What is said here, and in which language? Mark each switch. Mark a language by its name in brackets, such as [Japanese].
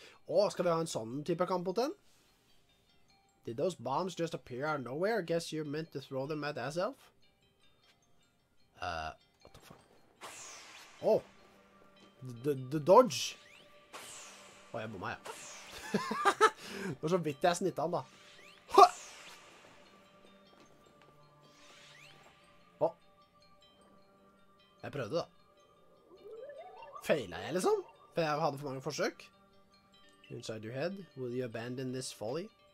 [Norwegian] Åh, skal vi ha en sånn type kamp mot den? [English] Did those bombs just appear out of nowhere? Guess you're meant to throw them at yourself? What the fuck? Åh! The dodge! [Norwegian] Åh, jeg bommet, ja. Det var så vidt jeg snittet han, da. Hå! Åh. Jeg prøvde, da. Feilet jeg, liksom? For jeg hadde for mange forsøk. [English] Inside your head, will you abandon this folly?